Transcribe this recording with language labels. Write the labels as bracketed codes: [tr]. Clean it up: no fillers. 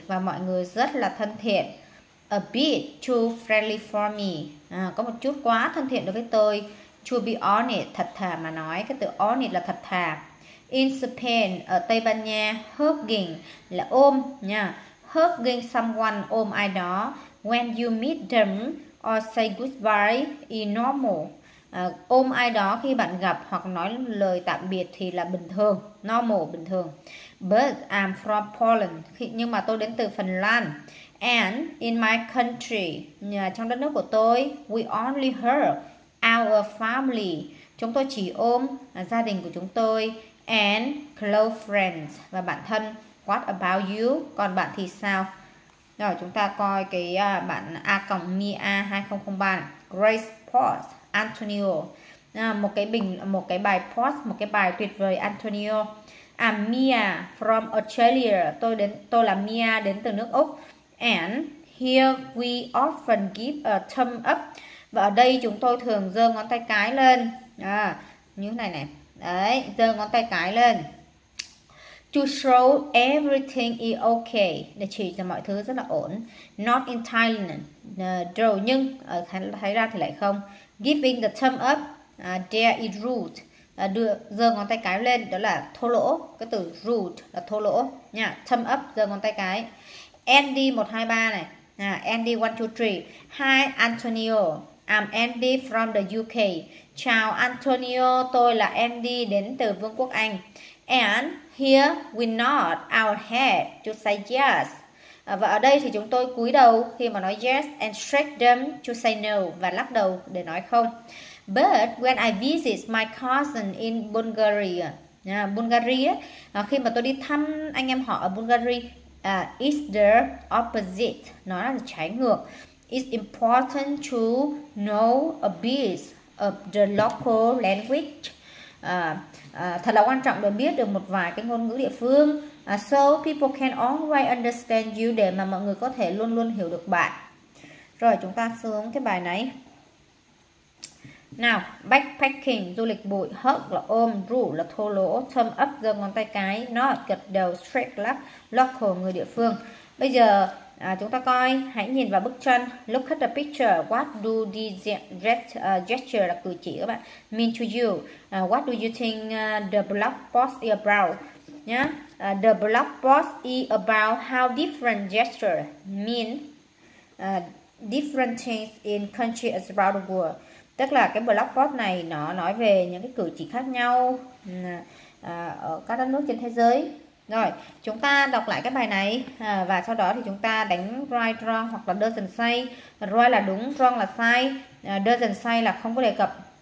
[vi] Và mọi người rất là thân thiện. [en] A bit too friendly for me. [vi] Có một chút quá thân thiện đối với tôi. [en] To be honest, [vi] thật thà mà nói. Cái từ honest là thật thà. [en] In Spain, [vi] ở Tây Ban Nha, hugging là ôm nha. [en] Hugging someone, [vi] ôm ai đó. [en] When you meet them or say goodbye is normal. [vi] Ôm ai đó khi bạn gặp hoặc nói lời tạm biệt thì là bình thường. Normal, bình thường. [en] But I'm from Poland. [vi] Nhưng mà tôi đến từ Phần Lan. [en] And in my country, [vi] trong đất nước của tôi, [en] we only hug our family. [vi] Chúng tôi chỉ ôm gia đình của chúng tôi. [en] And close friends, [vi] và bạn thân. [en] What about you? [vi] Còn bạn thì sao? Rồi chúng ta coi cái bạn A cộng Mia 2003. Grace Post Antonio. Một cái bài tuyệt vời Antonio. [en] I'm Mia from Australia. [vi] Tôi là Mia đến từ nước Úc. [en] And here we often give a thumb up. [vi] Và ở đây chúng tôi thường giơ ngón tay cái lên. Như thế này này. Đấy, giơ ngón tay cái lên. [en] To show everything is okay. [vi] Để chỉ cho mọi thứ rất là ổn. [en] Not in Thailand. [vi] Nhưng ở Thái Lan thì lại không. [en] Giving the thumb up. There is rude. [vi] Giơ ngón tay cái lên. Đó là thô lỗ. Cái từ rude là thô lỗ. Nha. Thumb up, giơ ngón tay cái. [en] Andy 123 này. Andy 123. Hi Antonio, I'm Andy from the UK. [vi] Chào Antonio, tôi là Andy đến từ Vương quốc Anh. [en] And here we nod our head to say yes. [vi] Và ở đây thì chúng tôi cúi đầu khi mà nói [en] yes and shake them to say no, [vi] và lắc đầu để nói không. [en] But when I visit my cousin in Bulgaria. [vi] Bulgaria, khi mà tôi đi thăm anh em họ ở Bulgaria. [en] Is the opposite, [vi] nó là trái ngược. [en] It's important to know a bit of the local language. [vi] Thật là quan trọng để biết được một vài cái ngôn ngữ địa phương. So people can always understand you, để mà mọi người có thể luôn luôn hiểu được bạn. Rồi chúng ta xuống cái bài này. Nào, backpacking, du lịch bụi. Hug là ôm, rủ là thô lỗ. Thumb up, giơ ngón tay cái. Nod, gật đầu. Straight luck, local, người địa phương. Bây giờ chúng ta coi, hãy nhìn vào bức tranh. [en] Look at the picture. What do these gesture [vi] là cử chỉ các bạn [en] mean to you? What do you think the blog post is about? The blog post is about how different gesture mean different things in countries around the world. [vi] Tức là cái blog post này nó nói về những cái cử chỉ khác nhau ở các đất nước trên thế giới. Rồi, chúng ta đọc lại cái bài này và sau đó thì chúng ta đánh right wrong hoặc là doesn't say. Right là đúng, wrong là sai. Doesn't say là không có đề cập.